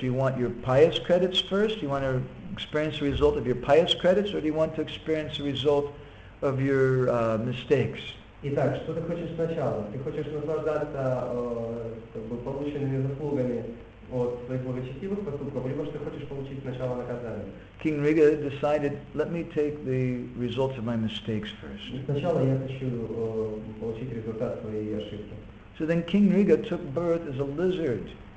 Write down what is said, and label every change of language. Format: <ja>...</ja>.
<en>Do you want your pious credits first? Do you want to experience the result of your pious credits, or do you want to experience the result of your mistakes?</en> <ru>Итак, что ты хочешь сначала? Ты хочешь наслаждаться полученными заслугами от своих благочестивых поступков, либо ты хочешь получить сначала наказание?</ru> <en>King Nriga decided, let me take the results of my mistakes first.</en> <ru>Сначала я хочу получить результат своей ошибки.</ru> <en>So then King Nriga took birth as a lizard.</en>